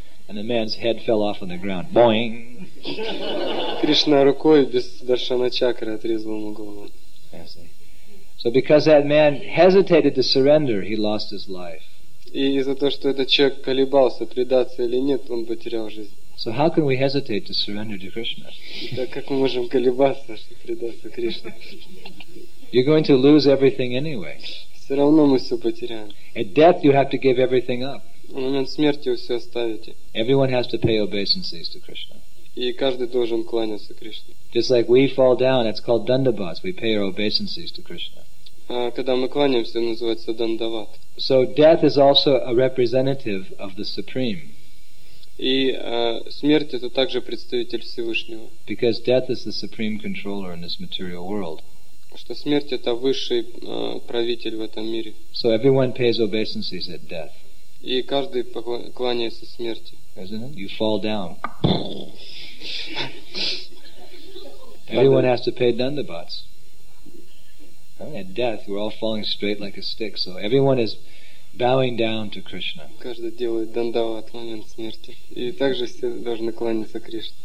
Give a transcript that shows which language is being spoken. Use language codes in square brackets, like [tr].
[en] And the man's head fell off on the ground. Boing! [ru] Krishna рукой без Sudarsana chakra отрезал ему голову. [en] I see. So because that man hesitated to surrender, he lost his life. [ru] И из-за того, что этот человек колебался, предаться или нет, он потерял жизнь. [en] So how can we hesitate to surrender to Krishna? [ru] Так как мы можем колебаться, чтобы предаться Кришне? [en] You're going to lose everything anyway. [ru] Все равно мы все потеряем. [en] At death you have to give everything up. [ru] В момент смерти вы все оставите. [en] Everyone has to pay obeisances to Krishna. [ru] И каждый должен кланяться Кришне. [en] Just like we fall down, it's called dandavat. We pay our obeisances to Krishna. [ru] Когда мы кланяемся, называется дандават. [en] So death is also a representative of the Supreme. [ru] И смерть это также представитель Всевышнего. [en] Because death is the supreme controller in this material world. [ru] Что смерть это высший правитель в этом мире. [en] So everyone pays obeisances at death. [ru] И каждый кланяется смерти. [en] Isn't it? You fall down. Everyone has to pay dandavats. At death, we're all falling straight like a stick. So everyone is bowing down to Krishna. [ru] Каждый делает дандават в момент смерти, и также все должны кланяться Кришне.